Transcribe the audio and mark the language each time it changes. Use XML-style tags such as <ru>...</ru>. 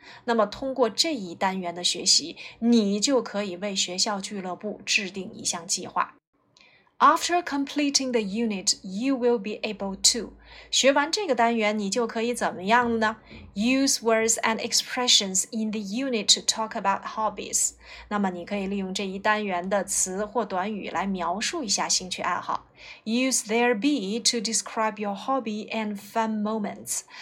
<zh>那么通过这一单元的学习你就可以为学校俱乐部制定一项计划。</zh> <en>After completing the unit, you will be able to.</en> <zh>学完这个单元你就可以怎么样呢</zh> <en>?Use words and expressions in the unit to talk about hobbies.</en> <zh>那么你可以利用这一单元的词或短语来描述一下兴趣爱好。</zh> <en>Use there be to describe your hobby and fun moments.</en>